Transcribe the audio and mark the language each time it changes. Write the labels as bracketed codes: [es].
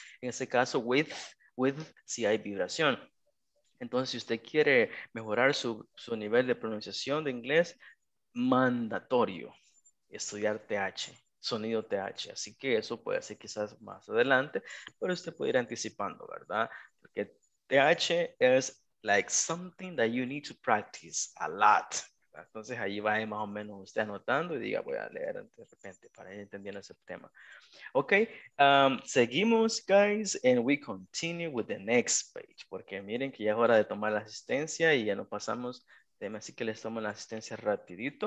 [es] En este caso, with si hay vibración. Entonces, si usted quiere mejorar su nivel de pronunciación de inglés, mandatorio estudiar TH, sonido TH. Así que eso puede ser quizás más adelante, pero usted puede ir anticipando, ¿verdad? [en] Porque TH es like something that you need to practice a lot. [es] Entonces ahí va más o menos usted anotando y diga, voy a leer de repente para ir entendiendo ese tema. Ok, seguimos, guys, [en] and we continue with the next page. [es] Porque miren que ya es hora de tomar la asistencia y ya nos pasamos Deme así que les tomo la asistencia rapidito.